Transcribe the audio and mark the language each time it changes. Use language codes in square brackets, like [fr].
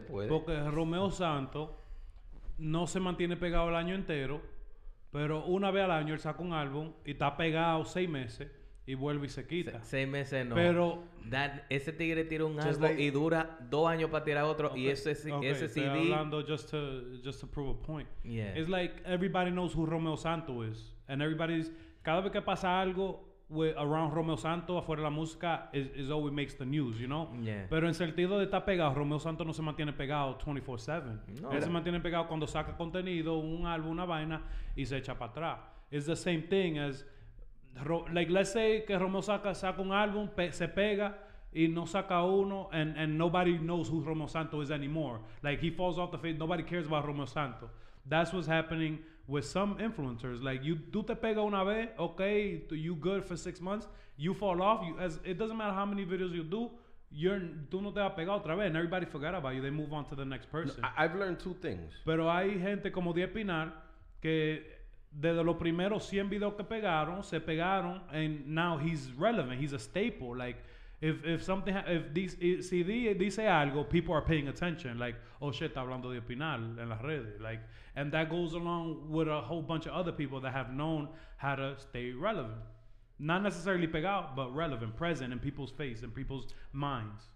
[es] Porque Romeo Santos no se mantiene pegado el año entero, pero una vez al año él saca un álbum y está pegado 6 meses y vuelve y se quita. Seis meses no. Pero... ese tigre tira un álbum y dura 2 años para tirar otro. Okay. Y ese CD... Estoy hablando [en] just to prove a point. Yeah. It's like everybody knows who Romeo Santos is. And everybody's... Cada vez que pasa algo around Romeo Santos, afuera de la música, is always makes the news, you know? Yeah. [es] Pero en sentido de estar pegado, Romeo Santos no se mantiene pegado 24/7. No. Él se mantiene pegado cuando saca contenido, un álbum, una vaina, y se echa para atrás. [en] It's the same thing as... Like, let's say [es] que Romeo saca un álbum, se pega y no saca uno, [en] and nobody knows who Romeo Santos is anymore. Like, he falls off the face. Nobody cares about Romeo Santos. That's what's happening with some influencers. Like, [es] tú te pega una vez, [en] okay, you good for 6 months, you fall off. It doesn't matter how many videos you do, [es] tú no te vas a pegar otra vez, [en] and everybody forgot about you. They move on to the next person. No, I've learned 2 things. [es] Pero hay gente como Diez Pinar que... Desde los primeros 100 videos que pegaron, se pegaron, [en] and now he's relevant. He's a staple. Like, if CD [es] dice algo, [en] people are paying attention. Like, oh shit, [es] está hablando de Pinal en las redes. [en] Like, and that goes along with a whole bunch of other people that have known how to stay relevant. Not necessarily pegado, but relevant, present in people's face, in people's minds.